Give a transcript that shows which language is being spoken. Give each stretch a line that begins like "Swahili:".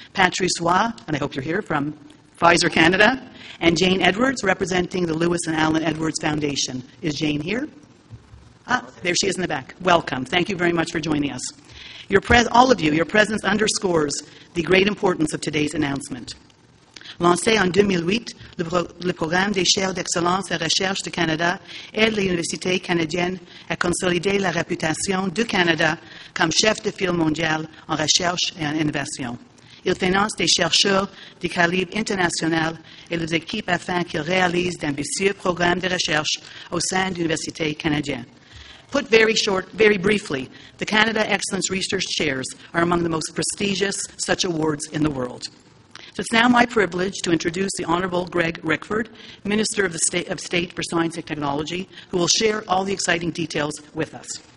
English: Patrice Roy, and I hope you're here, from Pfizer Canada, and Jane Edwards, representing the Lewis and Allen Edwards Foundation. Is Jane here? Ah, there she is in the back. Welcome. Thank you very much for joining us. Your presence underscores the great importance of today's announcement.
French: Lancé en 2008, le programme des chaires d'excellence et recherche du Canada aide les universités canadiennes à consolider la réputation du Canada comme chef de file mondial en recherche et en innovation. Il finance des chercheurs de calibre international et les équipes afin qu'ils réalisent d'ambitieux programmes de recherche au sein d'universités canadiennes.
English: Put very briefly, the Canada Excellence Research Chairs are among the most prestigious such awards in the world. So it's now my privilege to introduce the Honourable Greg Rickford, Minister of State for Science and Technology, who will share all the exciting details with us.